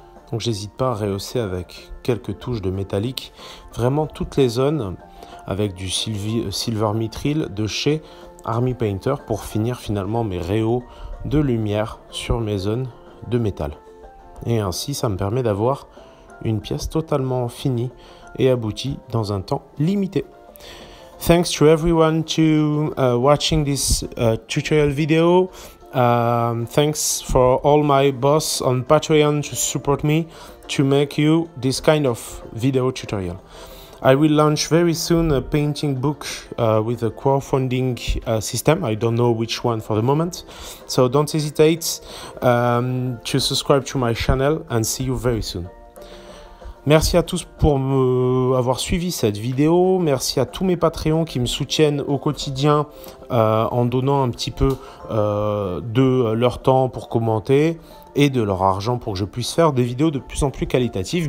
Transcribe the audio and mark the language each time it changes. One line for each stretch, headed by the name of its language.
French: Donc j'hésite pas à rehausser avec quelques touches de métallique vraiment toutes les zones avec du silver mithril de chez Army Painter pour finir finalement mes rehauts de lumière sur mes zones de métal. Et ainsi ça me permet d'avoir une pièce totalement finie et aboutie dans un temps limité.
English: Thanks to everyone to watching this tutorial video. Thanks for all my boss on Patreon to support me to make you this kind of video tutorial. I will launch very soon a painting book with a crowdfunding system. I don't know which one for the moment. So don't hesitate to subscribe to my channel and see you very soon.
French: Merci à tous pour avoir suivi cette vidéo. Merci à tous mes Patreons qui me soutiennent au quotidien en donnant un petit peu de leur temps pour commenter et de leur argent pour que je puisse faire des vidéos de plus en plus qualitatives.